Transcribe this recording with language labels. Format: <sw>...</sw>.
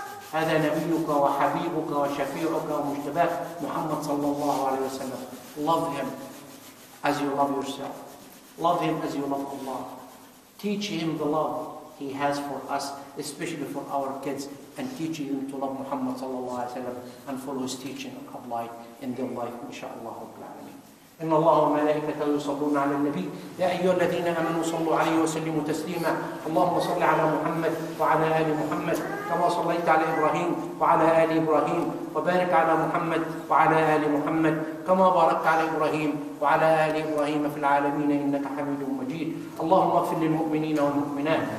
<ar>هذا نبيك وحبيبك وشفيعك ومجتباك محمد صلى الله عليه وسلم.</ar> <en>Love him as you love yourself. Love him as you love Allah. Teach him the love he has for us, especially for our kids, and teach him to love Muhammad</en> <ar>صلى الله عليه وسلم</ar> <en>and follow his teaching and apply in their life, inshaAllah.</en> <ar>إن الله وملائكته يصلون على النبي يا أيها الذين آمنوا صلوا عليه وسلموا تسليما اللهم صل على محمد وعلى آل محمد كما صليت على إبراهيم وعلى آل إبراهيم وبارك على محمد وعلى آل محمد كما باركت على إبراهيم وعلى آل إبراهيم في العالمين إنك حميد مجيد اللهم اغفر للمؤمنين والمؤمنات</ar>